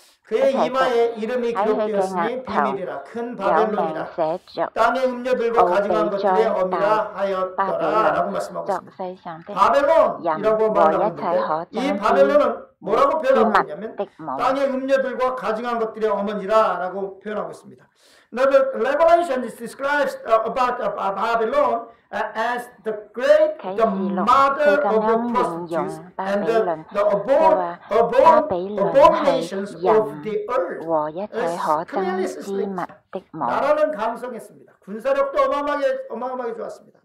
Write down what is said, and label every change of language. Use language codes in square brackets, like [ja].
[ko] 그의 이마에 이름이 기록되었으니 비밀이라 큰 바벨론이라 땅의 음녀들과 가증한 것들의 어미라 하였더라 라고 말씀하고 있습니다. 바벨론이라고 말하고 있는데 이 바벨론은 뭐라고 표현하고 있냐면 땅의 음녀들과 가증한 것들의 어머니라 라고 표현하고 있습니다. [en] The Revelation describes about Babylon as the great, the mother of the prostitutes and the abominations of the earth. It's clearly stated. [ko] 군사력도 어마어마하게 좋았습니다.